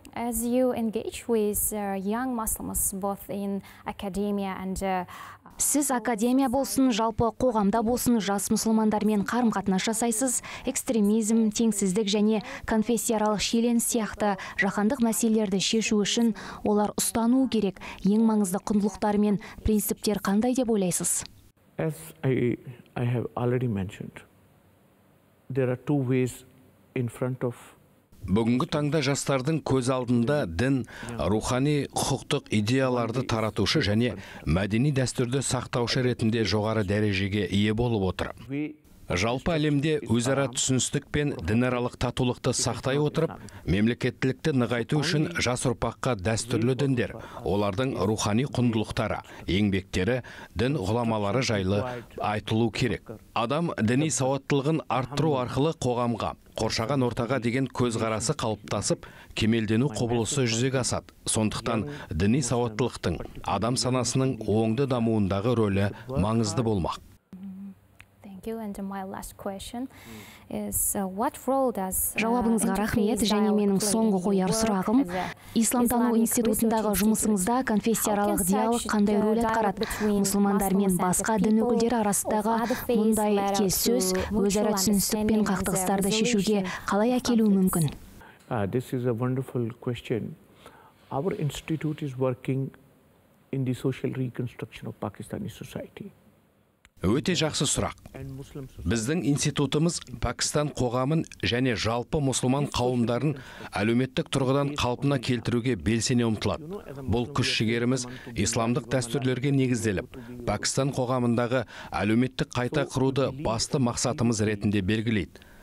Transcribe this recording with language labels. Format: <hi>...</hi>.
<en>As you engage with young Muslims both in academia and</en> <kk>сіз академия болсын, жалпы қоғамда болсын, жас мұсылмандармен қарым-қатынас жасайсыз, экстремизм, теңсіздік және конфессияаралық шиеленіс сияқты жаһандық мәселелерді шешу үшін олар ұстануы керек ең маңызды құндылықтар мен принциптер қандай деп ойлайсыз?</kk> <en>As I have already mentioned, there are two ways in front of</en> <kk>бүгінгі таңда жастардың көз алдында дін, рухани құқықтық идеяларды таратушы және мәдени дәстүрді сақтаушы ретінде жоғары дәрежеге ие болып отыр. Жалпы әлемде өзара түсіністік пен дінаралық татулықты сақтай отырып, мемлекеттілікті нығайту үшін жас ұрпаққа дәстүрлі діндер, олардың рухани құндылықтары, еңбектері, дін ғұламалары жайлы айтылу керек. Адам діни сауаттылығын арттыру арқылы қоғамға, қоршаған ортаға деген көзқарасы қалыптасып, кемелдену құбылысы жүзеге асады. Сондықтан діни сауаттылықтың адам санасының оңды дамуындағы рөлі маңызды болмақ.</kk> <en>And my last question is, what role does</en> <kk>жауабыңызға рахмет, және менің соңғы қояр сұрағым, исламтану институтындағы жұмысыңызда конфессияаралық диалог қандай рөл атқарады? Мұсылмандар мен басқа дін өкілдері арасындағы мұндай келіссөз өзара түсіністік пен қақтығыстарды шешуге қалай әкелуі мүмкін?</kk> <en>This is a wonderful question. Our institute is working in the social reconstruction of Pakistani society.</en> <kk>Өте жақсы сұрақ. Біздің институтымыз Пакистан қоғамын және жалпы мұсылман қауымдарын әлеуметтік тұрғыдан қалпына келтіруге белсене ұмтылады. Бұл күш-жігеріміз исламдық дәстүрлерге негізделіп, Пакистан қоғамындағы әлеуметтік қайта құруды басты мақсатымыз ретінде белгілейді.</kk>